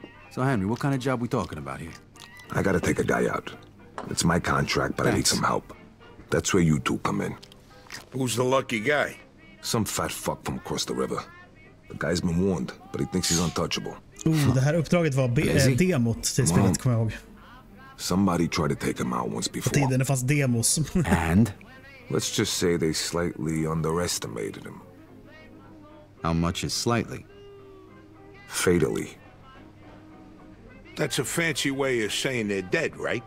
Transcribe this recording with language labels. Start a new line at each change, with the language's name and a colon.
English: So, Henry, what kind of job we talking about here? I gotta take a guy out. It's my contract, but thanks. I need some help. That's where you two come in. Who's the lucky guy? Some fat fuck from across the river. The guy's been warned, but he thinks he's untouchable.
Swedish: Ooh, det här uppdraget var demot till spelet, kommer jag ihåg.
English: Somebody tried to take him out once before.
Swedish: På tiden det fanns demos.
English: And? Let's just say they slightly underestimated him. How much is slightly? Fatally. That's a fancy way of saying they're dead, right?